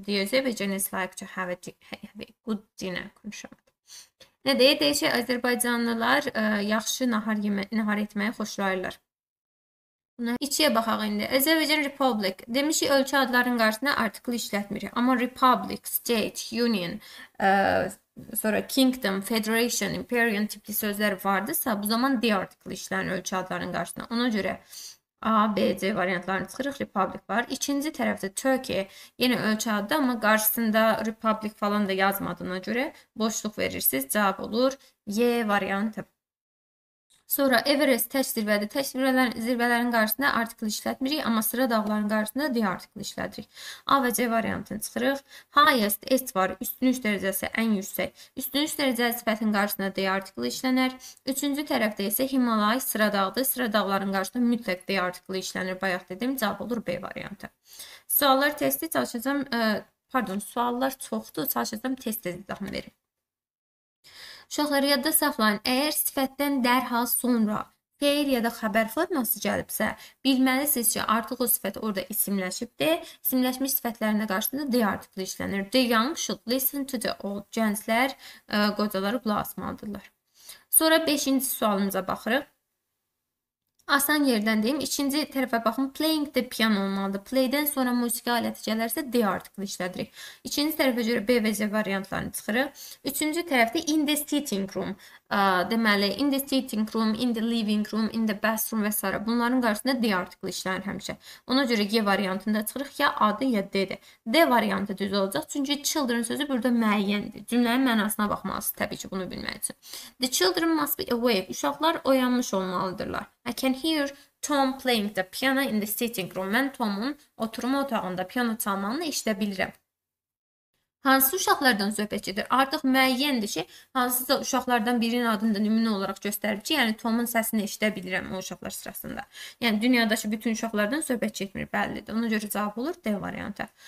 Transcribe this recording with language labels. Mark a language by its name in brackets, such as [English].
[Azerbaijani] Özdəbəcəniz, [English] like to have a good dinner, [Turkish] konuşalım. [Azerbaijani] Ne deyir? Deyir ki, Azərbaycanlılar yaxşı nahar etməyi xoşlayırlar. İçiyə baxaq indi. Azərbaycan Republic. Demiş ki, ölkə adlarının qarşısında artıklı işlətmirik. Amma Republic, State, Union, sonra Kingdom, Federation, Imperium tipli sözler vardırsa, bu zaman D artıklı işlənir ölkə adlarının qarşısında. Ona görə A, B, C variantlarını çıxırıq. Republic var. İkinci tərəfdə Turkey. Yeni ölkə adı ama karşısında Republic falan da yazmadığına görə boşluq verirsiniz. Cevab olur. Y variantı. Sonra Everest tək zirvədir. Tək zirvələrin qarşısında artıklı işlətmirik. Amma sıra dağların qarşısında D artıklı işlətirik. A və C variantını çıxırıq. Highest S var. Üstünlük dərəcəsi ən yüksək. Üstünlük dərəcəsi sifətin qarşısında D artıklı işlənir. Üçüncü tərəfdə isə Himalay sıra dağdır. Sıra dağların qarşısında mütləq D artıklı işlənir. Bayaq dedim. Cavab olur B variantı. Suallar testi çalışacağım. Pardon, suallar çoxdur. Çalışacağım test izahı verim. Uşaqları yadda saxlayın. Eğer sifətdən dərhal sonra feil ya da xəbər forması gəlibsə, bilməlisiniz ki, artıq o sifət orada isimləşibdir. İsimləşmiş sifətlərinə qarşısında D artıqlı işlənir. [English] The young should listen to the old. [Azerbaijani] Gənclər qocaları qulaq asmalıdırlar. Sonra 5-ci sualımıza baxırıq. Asan yerdən deyim. İkinci tərəfə baxın. [English] Playing the piano [Azerbaijani] olmalıdır. Play'dən sonra musiqi aləti gələrsə D artıqlı işlədirik. İkinci tərəfə görə B və C variantlarını çıxırıq. Üçüncü tərəfdə [English] in the sitting room. [Azerbaijani] Deməli, [English] in the sitting room, in the living room, in the bathroom [Azerbaijani] vs. Bunların qarşısında D artıqlı işlənir həmişə. Ona görə G variantında çıxırıq. Ya A-dır, ya D-dir. D variantı düz olacaq. Çünki children sözü burada müəyyəndir. Cümlənin mənasına baxmalısınız. Təbii ki, bunu bilmək üçün. [English] The children must be awake. [Azerbaijani] Uşaqlar oyanmış olmalıdırlar. [English] I can hear Tom playing the piano in the sitting room. [Azerbaijani] Mən Tom'un oturma otağında piano çalmağını işlə bilirəm. Hansı uşaqlardan söhbət gedir? Artıq müəyyəndir ki, hansısa uşaqlardan birinin adını da nümunə olaraq göstərib ki, yəni Tom'un səsini eşidə bilirəm o uşaqlar sırasında. Yəni dünyadakı bütün uşaqlardan söhbət gedmir, bəllidir. Ona görə cavab olur D variantı.